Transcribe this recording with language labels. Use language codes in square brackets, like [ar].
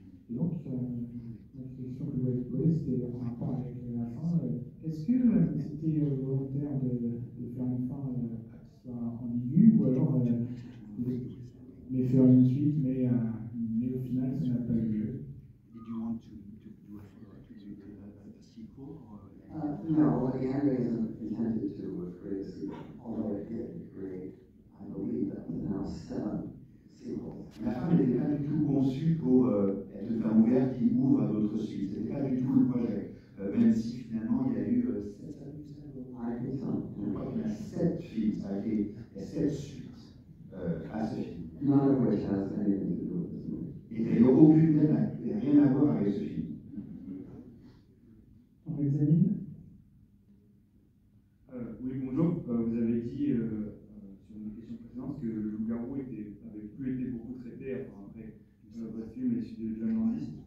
[fr] Et donc, la question que je voulais vous poser, c'était en rapport avec la fin. Est-ce que c'était volontaire de faire une fin qui soit ambiguë, ou alors de faire une suite, mais au final, ça n'a pas eu lieu? [en] Did you want to do a sequel? No, what the Andreism intended to do was create a sequel, although it did create, I believe, that was now 7 sequels. [fr] La fin n'était pas du tout conçue pour être une fin ouverte qui ouvre à d'autres suites. Ce n'était pas du tout le projet. Même si finalement il y a eu 7 films. Donc il y a 7 films, ça a été 7 suites à ce film. [en] None of which has anything to do with this movie. [fr] Et d'ailleurs, aucune d'elle n'a rien à voir avec ce film. On examine. Oui, bonjour. Vous avez dit sur une question précédente que le loup-garou n'avait plus été beaucoup traité après votre film et celui de John Landis.